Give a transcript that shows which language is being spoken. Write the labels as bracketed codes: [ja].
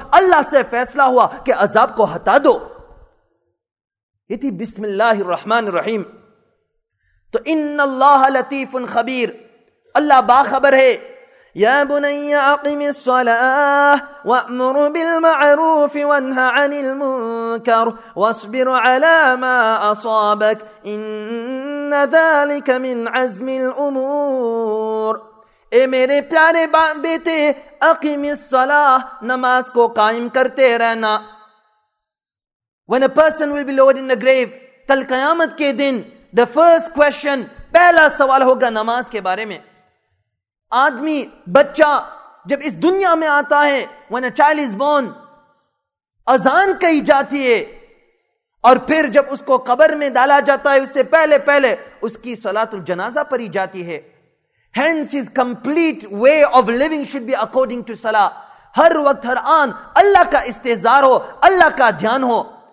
[ur] اللہ سے فیصلہ ہوا کہ عذاب کو ہٹا دو. یہ تھی بسم اللہ الرحمن الرحیم. تو [ar] ان اللہ لطیف خبیر, [ur] اللہ باخبر ہے. [ar] يا بني أقم الصلاة وأمر بالمعروف وانه عن المنكر واصبر على ما أصابك إن ذلك من عزم الأمور. [ur] اے میرے پیارے بیٹے, [ar] أقم الصلاة, [ur] نماز کو قائم کرتے رہنا. [en] When a person will be lowered in the grave, [ur] کل قیامت کے دن, [en] the first question, [ur] پہلا سوال ہوگا نماز کے بارے میں. آدمی بچہ جب اس دنیا میں آتا ہے, [en] when a child is born, [ur] اذان کہی جاتی ہے اور پھر جب اس کو قبر میں ڈالا جاتا ہے, اس سے پہلے پہلے اس کی صلاۃ الجنازہ پڑھی جاتی ہے. [en] Hence his complete way of living should be according to صلاح. [ur] ہر وقت ہر آن اللہ کا استحضار ہو, اللہ کا دھیان ہو.